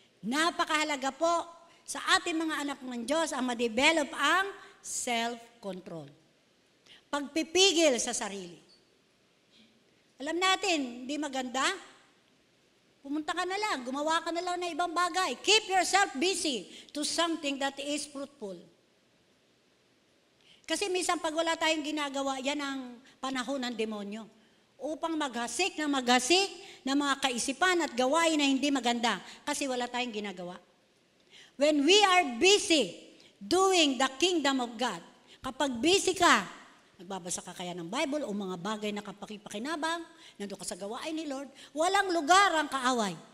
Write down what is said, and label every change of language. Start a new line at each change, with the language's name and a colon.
Filipino: Napakahalaga po sa ating mga anak ng Diyos ang ma-develop ang self-control. Pagpipigil sa sarili. Alam natin, hindi maganda. Pumunta ka na lang, gumawa ka na lang ng ibang bagay.
English: Keep yourself busy to something that is fruitful.
Filipino: Kasi minsan pag wala tayong ginagawa, yan ang panahon ng demonyo. Upang maghasik ng mga kaisipan at gawain na hindi maganda kasi wala tayong ginagawa.
English: When we are busy doing the kingdom of God,
Filipino: kapag busy ka, nagbabasa ka kaya ng Bible o mga bagay na kapakipakinabang, nandun ka sa gawain ni Lord, walang lugar ang kaaway.